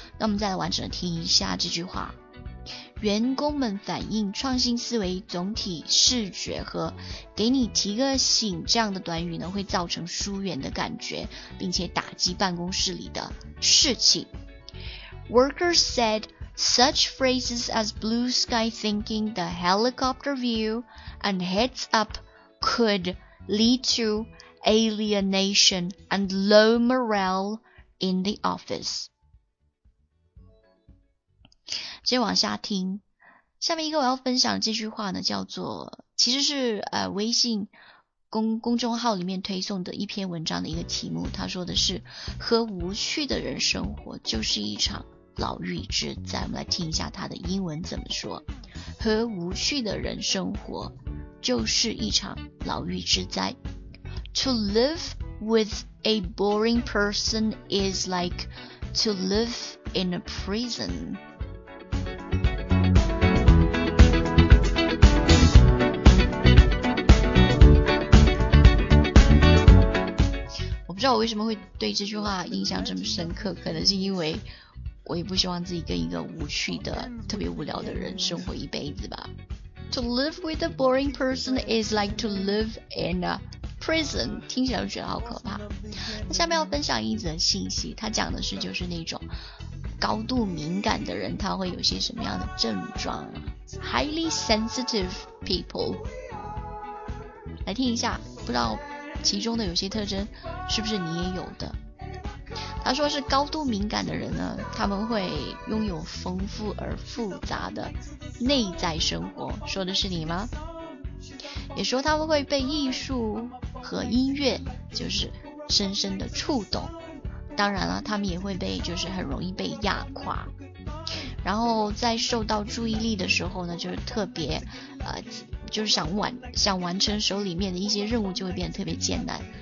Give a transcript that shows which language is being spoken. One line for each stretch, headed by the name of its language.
Chinese: 那我们再来完整的听一下这句话：员工们反映创新思维、总体视觉和给你提个醒这样的短语呢，会造成疏远的感觉，并且打击办公室里的士气。
English: Workers said. Such phrases as blue sky thinking, the helicopter view, and heads up could lead to alienation and low morale in the office.
Chinese: 接往下听，下面一个我要分享的这句话呢，叫做，其实是微信公众号里面推送的一篇文章的一个题目，他说的是，和无趣的人生活就是一场牢狱之灾。我们来听一下他的英文怎么说。和无趣的人生活就是一场牢狱之灾。
English: To live with a boring person is like to live in a prison.
Chinese: 我不知道我为什么会对这句话印象这么深刻，可能是因为我也不希望自己跟一个无趣的、特别无聊的人生活一辈子吧。
English: To live with a boring person is like to live in a prison.
Chinese: 听起来就觉得好可怕。那下面要分享一则信息，它讲的是就是那种高度敏感的人，他会有些什么样的症状。
English: Highly sensitive people.
Chinese: 来听一下，不知道其中的有些特征是不是你也有的。他说是高度敏感的人呢，他们会拥有丰富而复杂的内在生活，说的是你吗？也说他们会被艺术和音乐就是深深的触动，当然了，他们也会被就是很容易被压垮，然后在受到注意力的时候呢，就是特别就是想完成手里面的一些任务就会变得特别艰难。